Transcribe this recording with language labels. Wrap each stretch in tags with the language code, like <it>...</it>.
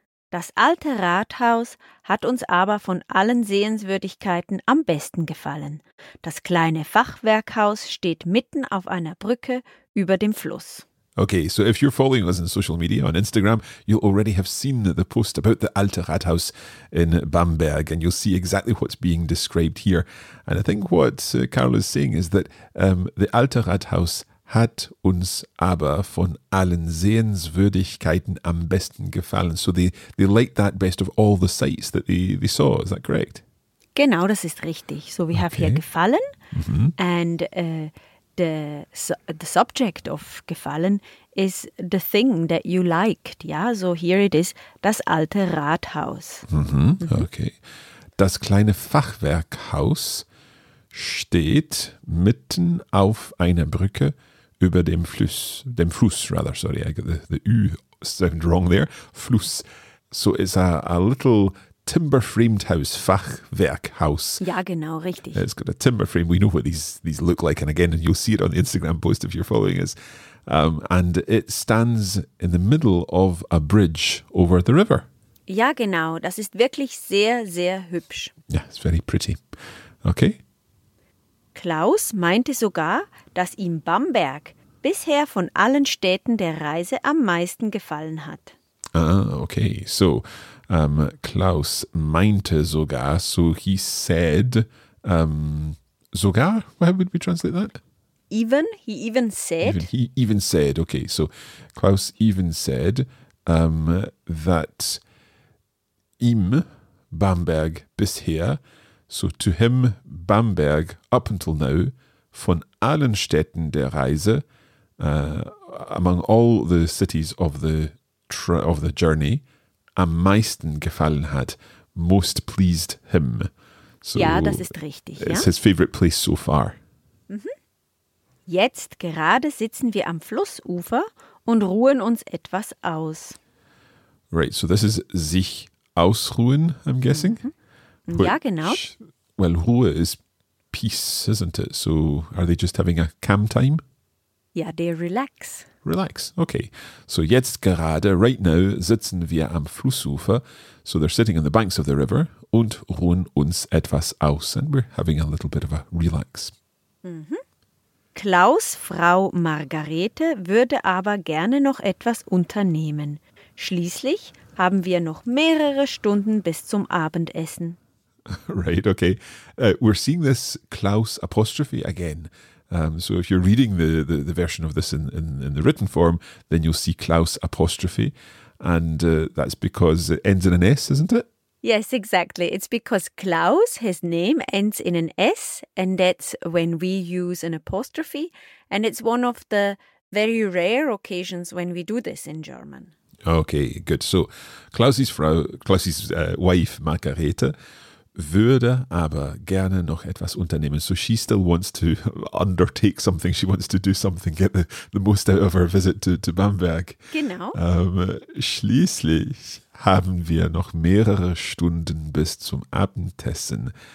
<de>Das alte Rathaus hat uns aber von allen Sehenswürdigkeiten am besten gefallen. Das kleine Fachwerkhaus steht mitten auf einer Brücke über dem Fluss.</de> <en>Okay, so if you're following us on social media, on Instagram, you'll already have seen the post about the Alte Rathaus in Bamberg, and you'll see exactly what's being described here. And I think what Carol is saying is that the Alte Rathaus</en> <de>hat uns aber von allen Sehenswürdigkeiten am besten gefallen.</de> <en>So they liked that best of all the sights that they saw, is that correct?</en> <de>Genau, das ist richtig.</de> <en>So we have here gefallen, mm-hmm. and... the subject of gefallen is the thing that you liked. Yeah, so here it is, das alte Rathaus. Mm-hmm. Okay.</en> <de>Das kleine Fachwerkhaus steht mitten auf einer Brücke über dem Fluss. Dem Fluss, rather.</de> <en>Sorry, I got the Ü sound wrong there. Fluss. So it's a little timber-framed house, Fachwerkhaus.</en> <de>Ja, genau, richtig.</de> <en>It's got a timber frame. We know what these look like. And again, you'll see it on the Instagram post if you're following us. And it stands in the middle of a bridge over the river.</en> <de>Ja, genau. Das ist wirklich sehr, sehr hübsch.</de> <en>Yeah, it's very pretty. Okay.</en> <de>Klaus meinte sogar, dass ihm Bamberg bisher von allen Städten der Reise am meisten gefallen hat. Ah, okay.</de> <en>So,</en> <de>Klaus meinte sogar,</de> <en>so he said, sogar, how would we translate that? He even said, okay. So, Klaus even said that</en> <de>ihm Bamberg bisher,</de> <en>so to him Bamberg up until now,</en> <de>von allen Städten der Reise,</de> <en>among all the cities of the journey,</en> <de>am meisten gefallen hat,</de> <en>most pleased him.</en> <de>So ja, das ist richtig.</de> <en>It's</en> <de>ja?</de> <en>His favorite place so far. Mhm.</en> <de>Jetzt gerade sitzen wir am Flussufer und ruhen uns etwas aus.</de> <en>Right, so this is sich ausruhen, I'm guessing.</en> <de>Mhm. Which, ja, genau.</de> <en>Well, Ruhe is peace, isn't it? So are they just having a calm time? Ja, they relax. Relax, okay. So</en> <de>jetzt gerade,</de> <en>right now,</en> <de>sitzen wir am Flussufer.</de> <en>So they're sitting on the banks of the river</en> <de>und ruhen uns etwas aus.</de> <en>And we're having a little bit of a relax. Mhm.</en> <de>Klaus' Frau Margarete würde aber gerne noch etwas unternehmen. Schließlich haben wir noch mehrere Stunden bis zum Abendessen.</de> <en>Right, okay. We're seeing this Klaus' apostrophe again. So if you're reading the version of this in the written form, then you'll see Klaus apostrophe. And that's because it ends in an S, isn't it? Yes, exactly. It's because Klaus, his name, ends in an S. And that's when we use an apostrophe. And it's one of the very rare occasions when we do this in German. Okay, good. So Klaus's wife, Margarete,</en> <de>würde aber gerne noch etwas unternehmen.</de> <en>So she still wants to undertake something. She wants to do something, get the most out of her visit to Bamberg.</en> <de>Genau. Schließlich haben wir noch mehrere Stunden bis zum Abendessen.</de>